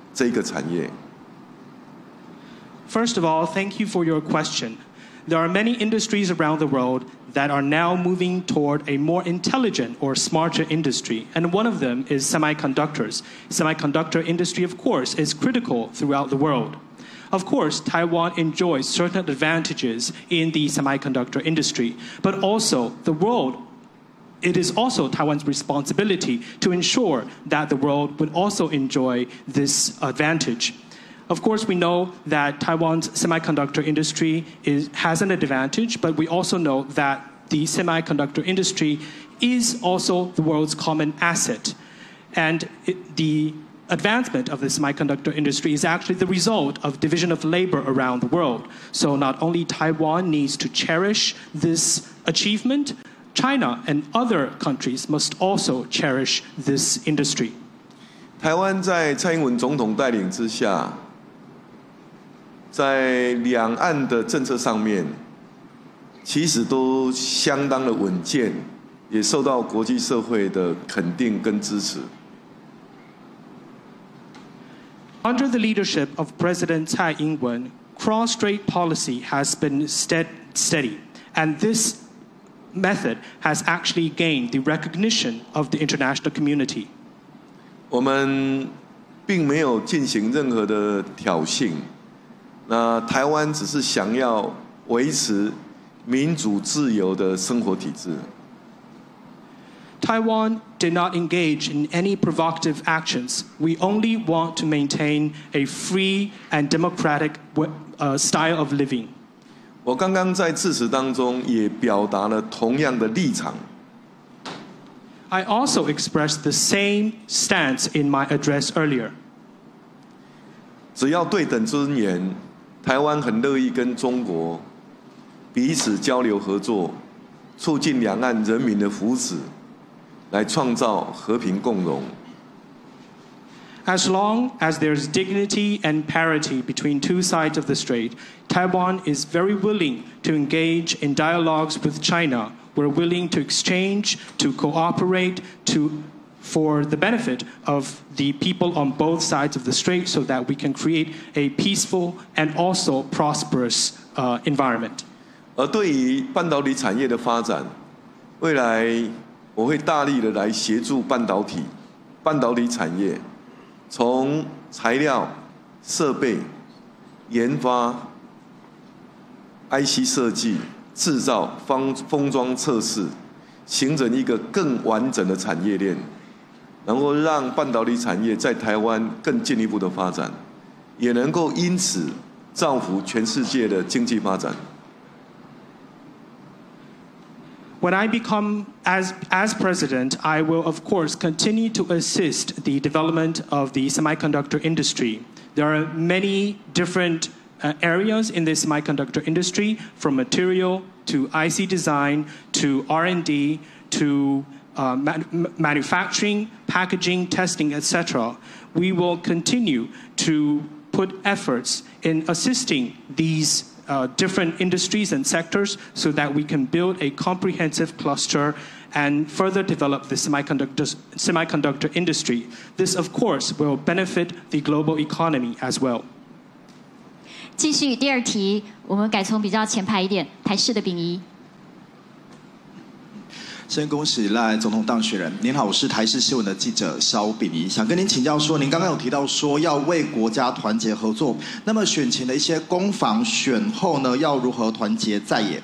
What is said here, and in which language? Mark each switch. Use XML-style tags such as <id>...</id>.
<zh>那我们也希望中国跟国际社会都能够一起来珍惜这个产业。</zh> <en>First of all, thank you for your question. There are many industries around the world that are now moving toward a more intelligent or smarter industry, and one of them is semiconductors. Semiconductor industry, of course, is critical throughout the world. Of course, Taiwan enjoys certain advantages in the semiconductor industry, but also the world, it is also Taiwan's responsibility to ensure that the world would also enjoy this advantage. Of course, we know that Taiwan's semiconductor industry has an advantage, but we also know that the semiconductor industry is also the world's common asset, and the advancement of the semiconductor industry is actually the result of division of labor around the world. So not only Taiwan needs to cherish this achievement, China and other countries must also cherish this industry.</en> <zh>台湾在蔡英文总统带领之下，在两岸的政策上面，其实都相当的稳健，也受到国际社会的肯定跟支持。</zh> <en>Under the leadership of President Tsai Ing-wen, cross-strait policy has been steady, and this method has actually gained the recognition of the international community.</en> <zh>我们并没有进行任何的挑衅，那台湾只是想要维持民主自由的生活体制。</zh> <en>Taiwan did not engage in any provocative actions. We only want to maintain a free and democratic style of living.</en> <zh>我刚刚在致辞当中也表达了同样的立场。</zh> <en>I also expressed the same stance in my address earlier.</en> <zh>只要对等尊严，台湾很乐意跟中国彼此交流合作，促进两岸人民的福祉。来创造和平共荣。</zh> <en>As long as there is dignity and parity between two sides of the strait, Taiwan is very willing to engage in dialogues with China. We're willing to exchange, to cooperate, for the benefit of the people on both sides of the strait, so that we can create a peaceful and also prosperous environment.</en> <zh>而对于半导体产业的发展，未来。我会大力的来协助半导体产业，从材料、设备、研发、IC 设计、制造、封装测试，形成一个更完整的产业链，能够让半导体产业在台湾更进一步的发展，也能够因此造福全世界的经济发展。</zh> <en>When I become as president, I will of course continue to assist the development of the semiconductor industry. There are many different areas in the semiconductor industry, from material to IC design to R&D to manufacturing, packaging, testing, etc. We will continue to put efforts in assisting these. Different industries and sectors so that we can build a comprehensive cluster and further develop the semiconductor industry. This, of course, will benefit the global economy as well.</en> <zh>继续第二题，我们改从比较前排一点，台视的秉仪。先恭喜赖总统当选人，您好，我是台视新闻的记者萧秉仪，想跟您请教说，您刚刚有提到说要为国家团结合作，那么选前的一些攻防，选后呢要如何团结在野？</zh>